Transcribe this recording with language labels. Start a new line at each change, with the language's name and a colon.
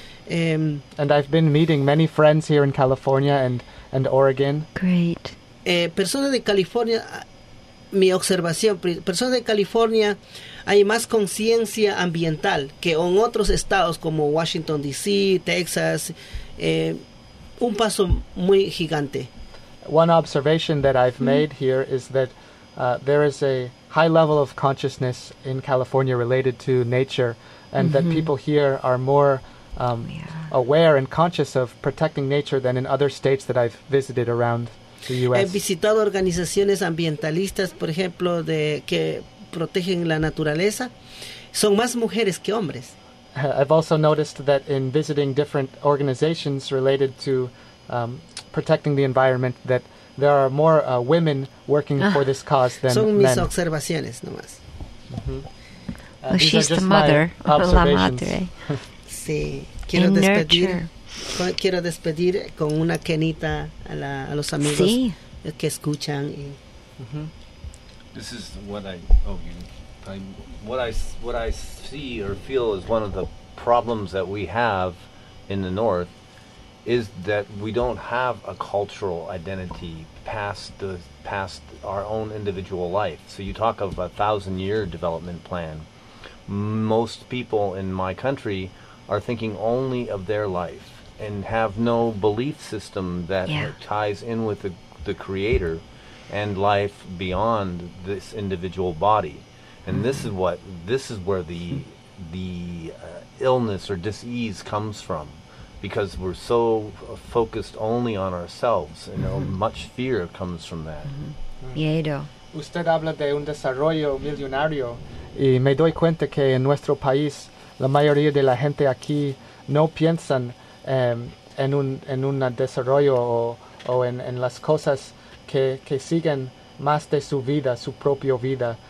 English: And I've been meeting many friends here in California and Oregon. Great.
Spanish: Personas de California, mi observación, personas de California hay más conciencia ambiental que en otros estados como Washington D.C., Texas, un paso muy gigante.
English: One observation that I've made here is that there is a high level of consciousness in California related to nature, and that people here are more aware and conscious of protecting nature than in other states that I've visited around the U.S.
Spanish: He visitado organizaciones ambientalistas, por ejemplo, de que protegen la naturaleza. Son más mujeres que hombres.
English: I've also noticed that in visiting different organizations related to protecting the environment, that there are more women working for this cause than
Spanish: son
English: men.
Spanish: Son mis observaciones, nomás.
English: Mm-hmm. Well, she's the mother,
Spanish: la madre. Sí, quiero despedir. Quiero despedir con una quenita a, la, a los amigos sí. que escuchan. Y
English: this is what I, oh, you, I, what I see or feel is one of the problems that we have in the North is that we don't have a cultural identity past our own individual life. So you talk of a 1,000-year development plan. Most people in my country are thinking only of their life. And have no belief system that ties in with the creator and life beyond this individual body. And this is where the illness or dis-ease comes from, because we're so focused only on ourselves, and much fear comes from that.
Spanish: Miedo. Usted habla de un desarrollo millonario, y me doy cuenta que en nuestro país la mayoría de la gente aquí no piensan en un desarrollo o en las cosas que siguen más de su vida, su propia vida.